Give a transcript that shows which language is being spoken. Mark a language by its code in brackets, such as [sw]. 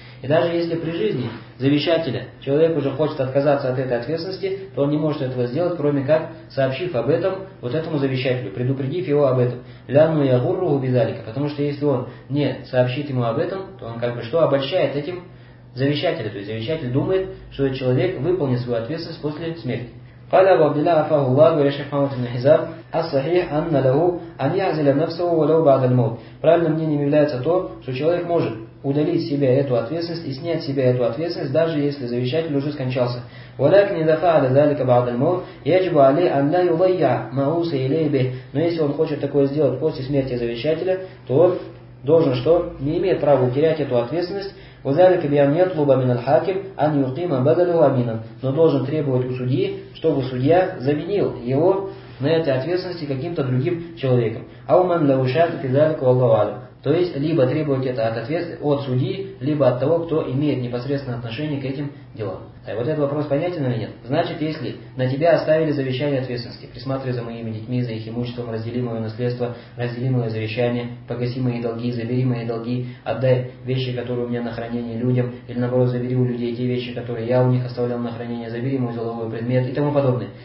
[ru] И даже если при жизни завещателя человек уже хочет отказаться от этой ответственности, то он не может этого сделать, кроме как сообщив об этом вот этому завещателю, предупредив его об этом. [ar] Лянну ягурру убизалика. [ru] Потому что если он не сообщит ему об этом, то он как бы что обольщает этим завещателя. То есть завещатель думает, что этот человек выполнит свою ответственность после смерти. [ar] قال أبو عبد الله عفاه الله ورحمه الشيخ محمد بن حزام الصحيح أن له أن يعزل نفسه ولو بعد الموت. [ru] Правильным мнением является то, что человек может удалить с себя эту ответственность и снять с себя эту ответственность, даже если завещатель уже скончался. [ar] ولكن إذا فعل ذلك بعد الموت يجب عليه أن لا يضيع ما أوصى إليه به. [ru] Но если он хочет такое сделать после смерти завещателя, то он должен что? Не имеет права утерять эту ответственность. [ar] وذلك بأن يطلب من الحاكم أن يقيم بدله أمينا. [ru] Но должен требовать у судьи, чтобы судья заменил его на этой ответственности каким-то другим человеком. [ar] أومن لا وشاط في ذلك والله أعلم. [ru] То есть, либо требовать это от ответственности, от судьи, либо от того, кто имеет непосредственное отношение к этим делам. Вот этот вопрос понятен или нет? Значит, если на тебя оставили завещание ответственности, присматривай за моими детьми, за их имуществом, раздели мое наследство, раздели мое завещание, погаси мои долги, забери мои долги, отдай вещи, которые у меня на хранение людям, или наоборот, забери у людей те вещи, которые я у них оставлял на хранение, забери мой золотой предмет и тому подобное.